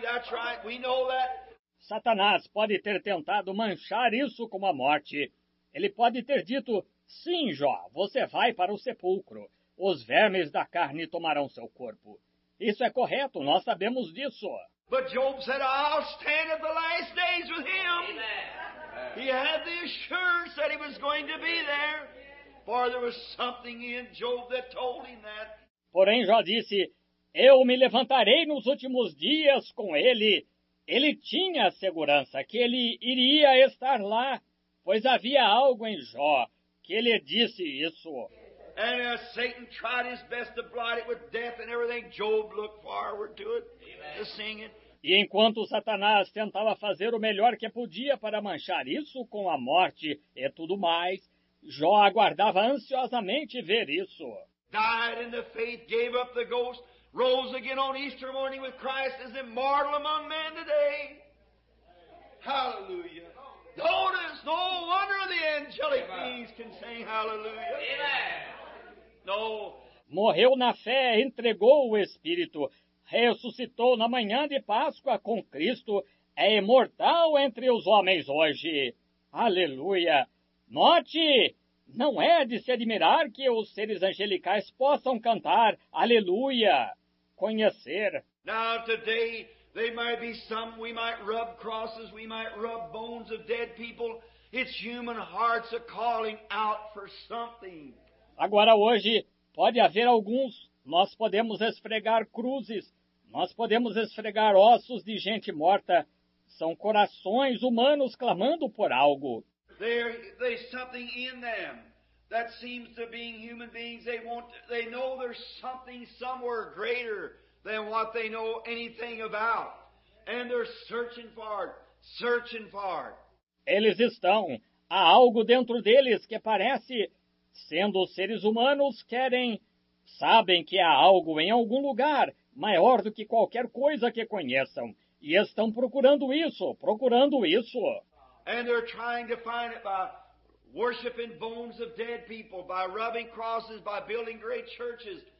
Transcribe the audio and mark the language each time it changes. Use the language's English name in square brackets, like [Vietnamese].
[English] That's right. We know that. [Portuguese] Satanás pode ter tentado manchar isso com a morte. Ele pode ter dito, sim, Jó, você vai para o sepulcro. Os vermes da carne tomarão seu corpo. Isso é correto. Nós sabemos disso. [English] But Job said, I'll stand at the last days with him. Amen. He had the assurance that he was going to be there. For there was something in Job that told him that. [Portuguese] Porém, Jó disse, eu me levantarei nos últimos dias com ele. Ele tinha a segurança que ele iria estar lá, pois havia algo em Jó que ele disse isso. [English] And Satan tried his best to blot it with death and everything. Job looked forward to it, to seeing it. [Portuguese] E enquanto Satanás tentava fazer o melhor que podia para manchar isso com a morte e tudo mais, Jó aguardava ansiosamente ver isso. [English] Died in the faith, gave up the ghost, rose again on Easter morning with Christ as immortal among men today. Hallelujah. Notice, no wonder the angelic beings can sing hallelujah. Amen. No. [Portuguese] Morreu na fé, entregou o Espírito, ressuscitou na manhã de Páscoa com Cristo, é imortal entre os homens hoje. Aleluia. Note, não é de se admirar que os seres angelicais possam cantar aleluia, conhecer. [English] Now today, there might be some, we might rub crosses, we might rub bones of dead people. It's human hearts are calling out for something. [Portuguese] Agora hoje, pode haver alguns, nós podemos esfregar cruzes, nós podemos esfregar ossos de gente morta. São corações humanos clamando por algo. [English] There's something in them that seems to be human beings. They know there's something somewhere greater than what they know anything about. And they're searching for it, searching for it. [Portuguese] Eles estão. Há algo dentro deles que parece, sendo seres humanos, querem, sabem que há algo em algum lugar maior do que qualquer coisa que conheçam. E estão procurando isso, procurando isso. [English] And they're trying to find it by worshiping bones of dead people, by rubbing crosses, by building great churches.